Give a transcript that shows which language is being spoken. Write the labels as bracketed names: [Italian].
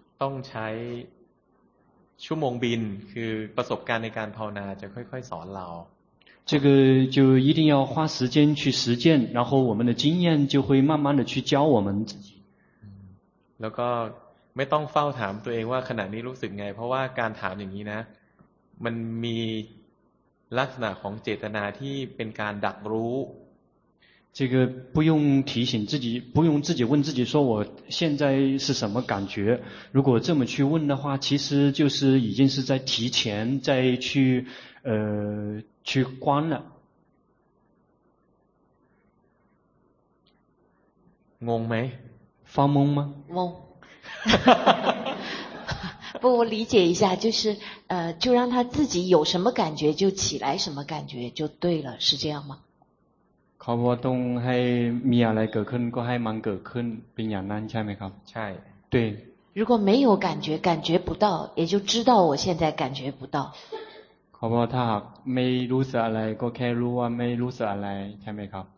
[Chinese] 动才 [Thai] ชั่วโมงบินคือประสบการณ์ในการภาวนาจะค่อยๆสอนเรา [Chinese] 这个就一定要花时间去实践然后我们的经验就会慢慢的去教我们自己 [Thai] แล้วก็ไม่ต้องเฝ้าถามตัวเองว่าขณะนี้รู้สึกไงเพราะว่าการถามอย่างนี้นะมันมีลักษณะของเจตนาที่เป็นการดักรู้ [Chinese] 这个不用提醒自己不用自己问自己说我现在是什么感觉如果这么去问的话其实就是已经是在提前再去去观了懵没发懵吗懵不我理解一下就是就让他自己有什么感觉就起来什么感觉就对了是这样吗 [Thai] เขาบอกต้องให้มีอะไรเกิดขึ้นก็ให้มันเกิดขึ้นเป็นอย่างนั้นใช่ไหมครับ ใช่ [Chinese] 对如果没有感觉感觉不到也就知道我现在感觉不到 [Thai] เขาบอกถ้าไม่รู้สึกอะไรก็แค่รู้ว่าไม่รู้สึกอะไรใช่ไหมครับ